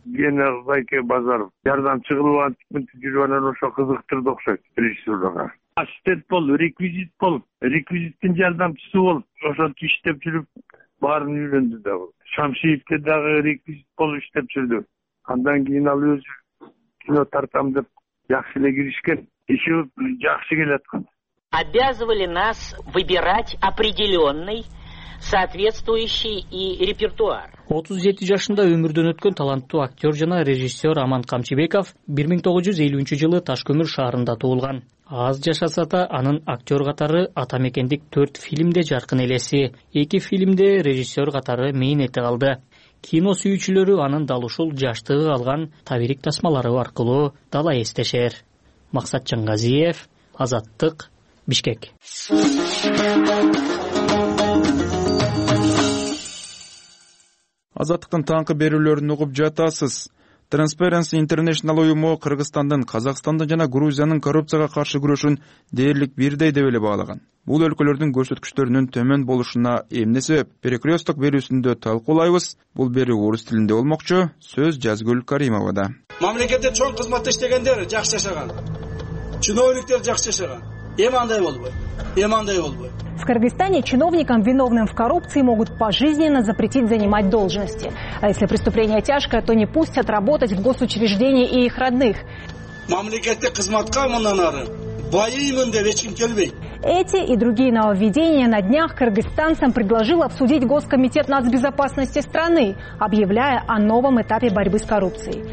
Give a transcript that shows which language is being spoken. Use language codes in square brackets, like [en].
[ky] Гена Зайке Базаров жардамчы кылып антип-мынтип жүрүп анан ошо кызыктырды окшойт режиссерлорго. Ассистент бол, реквизит бол, реквизиттин жардамчысы бол, ошентип иштеп жүрүп баарын үйрөндү да. Шамшиевке дагы реквизит болуп иштеп жүрдү. Андан кийин ал өзү кино тартам деп жакшы эле киришкен. Еще жакшы келаткан. [ru] Обязывали нас выбирать определенный соответствующий и репертуар. [ky] 37 жашында өмүрдөн өткөн таланттуу актер жана режиссер Аман Камчыбеков 1950-жылы Ташкөмүр шаарында туулган. Аз жашаса да анын актер катары атамекендик 4 фильмде жаркын элеси, 2 фильмде режиссер катары мээн эте калды. Кино сүйүүчүлөрү анын дал ушул жаштыгы алган табирик тасмалары аркылуу дала эстешер. Максат Чангазиев, Азаттык, Бишкек. Азаттыктын таңкы берүүлөрүн угуп жатасыз. Transparency International уюму Кыргызстандын, Казакстандын жана Грузиянын коррупцияга каршы күрөшүн дээрлик бирдей деп эле баалаган. Бул өлкөлөрдүн көрсөткүчтөрүнүн төмөн болушуна эмне себеп? Перекресток берүүсүндө талкуулайбыз. Бул берүү орус тилинде болмокчу. Сөз Жазгүл Каримовада. Мамлекетте чоң кызматта иштегендер жакшы жашаган. Чиновниктер жакшы жашаган. [ru] В Кыргызстане чиновникам, виновным в коррупции, могут пожизненно запретить занимать должности. А если преступление тяжкое, то не пустят работать в госучреждении и их родных. Эти и другие нововведения на днях кыргызстанцам предложил обсудить Госкомитет нацбезопасности страны, объявляя о новом этапе борьбы с коррупцией.